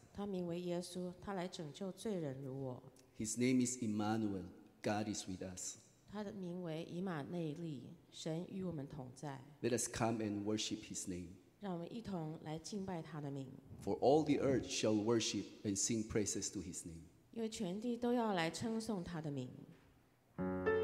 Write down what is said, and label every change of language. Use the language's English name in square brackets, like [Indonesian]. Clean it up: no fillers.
[Chinese] 他名为耶稣，他来拯救罪人如我。 [English] His name is Emmanuel. God is with us. [Chinese] 他的名为以马内利，神与我们同在。 [English] Let us come and worship his name. [Chinese] 让我们一同来敬拜他的名。 [English] For all the earth shall worship and sing praises to his name. [Chinese] 因为全地都要来称颂他的名。